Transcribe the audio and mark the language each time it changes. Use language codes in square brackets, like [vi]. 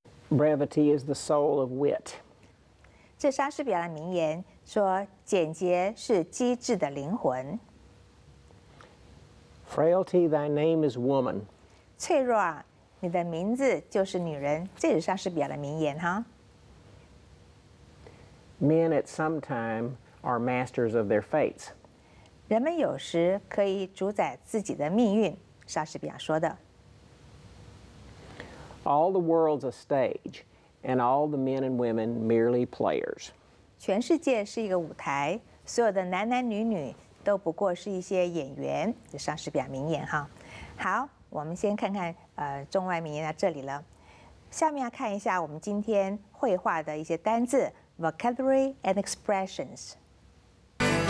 [en] Brevity is the soul of wit。 [zh] 这莎士比亚的名言说简洁是机智的灵魂。 [en] Frailty, thy name is woman。 [zh] 脆弱啊，你的名字就是女人，这是莎士比亚的名言哈。 [en] Men at some time are masters of their fates. [zh] 人们有时可以主宰自己的命运，莎士比亚说的。 [en] All the world's a stage, and all the men and women merely players. [zh] 全世界是一个舞台，所有的男男女女都不过是一些演员，这莎士比亚名言哈。好，我们先看看中外名言到这里了。下面要看一下我们今天绘画的一些单字 ， [en] vocabulary and expressions。